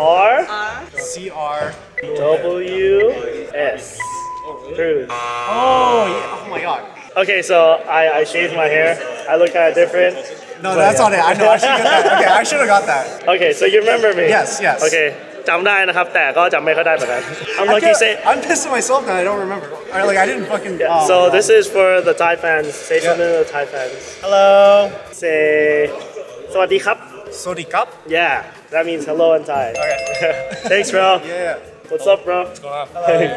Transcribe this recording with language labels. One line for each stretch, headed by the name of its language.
English: R. C R. W. S. Cruz. Oh, yeah. Oh my God. Okay, so I shaved my hair. I look kind of different. No, but that's yeah. on it. I know. I should get that. Okay, I should have got that. Okay, so you remember me? Yes. Yes. Okay.
Thai: จำได้นะครับแต่ก็จำไม่ค่อยได้เหมือนกัน
English: I'm lucky say I'm pissed at myself that I don't remember or like I didn't fucking yeah. So this is for the Thai fans say something to the Thai fans Hello say สวัสดีครับ
Thai: สวัสดีครับ
English: Yeah that means hello in Thai Okay Thanks bro Yeah What's up bro What's going on